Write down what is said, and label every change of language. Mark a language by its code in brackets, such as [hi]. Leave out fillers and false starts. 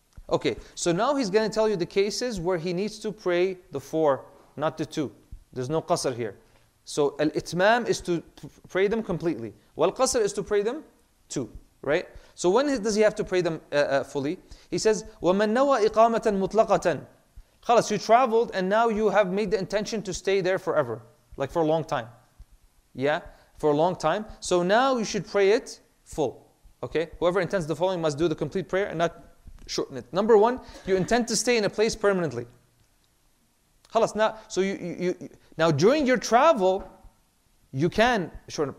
[en] Okay, so now he's going to tell you the cases where he needs to pray the 4, not the 2. There's no qasr here. So al-itmam is to pray them completely. Wal-qasr is to pray them 2, right? So when does he have to pray them fully? [ar] He says, وَمَنْ نَوَى إِقَامَةً مُطْلَقَةً. [en] خلاص, you traveled and now you have made the intention to stay there forever. Like for a long time. Yeah, for a long time. So now you should pray it full. Okay, whoever intends the following must do the complete prayer and not shorten it. Number one, you intend to stay in a place permanently. خلاص, now, so you now during your travel, you can shorten it.